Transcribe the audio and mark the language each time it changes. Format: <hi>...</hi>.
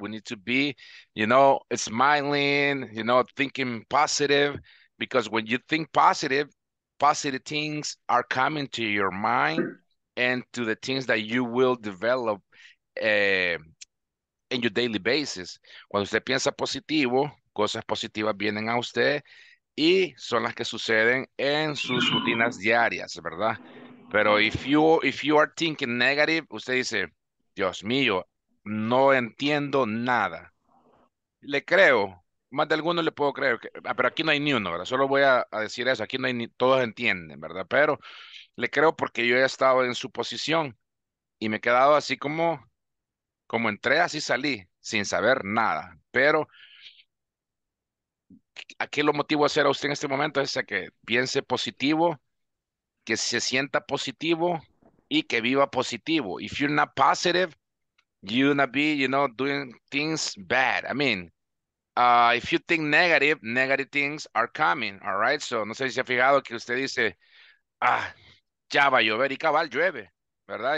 <en>We need to be, you know, smiling, you know, thinking positive, because when you think positive, positive things are coming to your mind and to the things that you will develop in your daily basis.</en> <es>Cuando usted piensa positivo, cosas positivas vienen a usted y son las que suceden en sus rutinas diarias, ¿verdad? Pero</es> <en>if you are thinking negative,</en> <es>usted dice, Dios mío, no entiendo nada. Le creo, más de alguno le puedo creer, pero aquí no hay ni uno, ¿verdad? Solo voy a decir eso, aquí no hay ni, todos entienden, ¿verdad? Pero le creo porque yo he estado en su posición y me he quedado así como entré, así salí, sin saber nada. Pero ¿a qué lo motivo a hacer a usted en este momento? Es a que piense positivo, que se sienta positivo y que viva positivo.</es> <en>If you're not positive, you're gonna be, you know, doing things bad. I mean, if you think negative, negative things are coming, all right?</en> <es>So, no sé si se ha fijado que usted dice, ah, ya va a llover y cabal llueve, ¿verdad?</es>